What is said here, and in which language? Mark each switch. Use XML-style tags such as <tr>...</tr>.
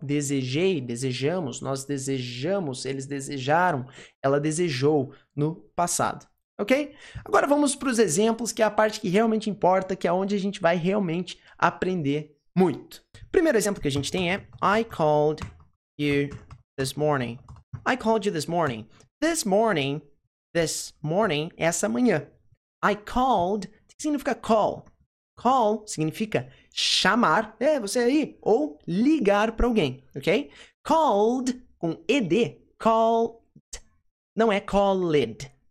<pt>Desejei, desejamos, nós desejamos, eles desejaram, ela desejou no passado. Ok? Agora vamos para os exemplos, que é a parte que realmente importa, que é onde a gente vai realmente aprender muito. Primeiro exemplo que a gente tem é</pt> <en>I called you this morning. I called you this morning. This morning,</en> <pt>essa manhã.</pt> <en>I called,</en> <pt>que significa call? Call significa chamar, é você aí, ou ligar para alguém, ok? Called com ED, called, não é called.</pt>